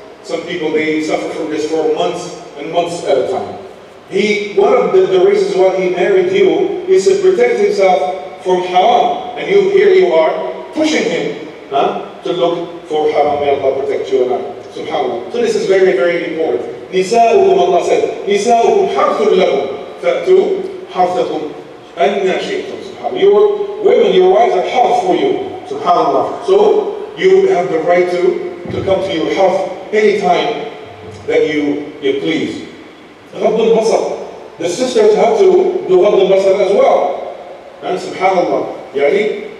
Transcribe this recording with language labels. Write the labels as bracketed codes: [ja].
[en] Some people, they suffer from this for months and months at a time. One of the reasons why he married you is to protect himself from haram. And you, here you are pushing him to look for haram. May Allah protect you and I. SubhanAllah. So this is very, very important. [ar] نساؤكم, [en] Allah said, [ar] نساؤكم حرث لكم فأتوا حرثكم أنى شئتم. [en] SubhanAllah. Your women, your wives are حرث for you. SubhanAllah. So you have the right to come to your حرث anytime that you please. [ar] غض البصر. [en] The sisters have to do غض البصر as well. And SubhanAllah. يعني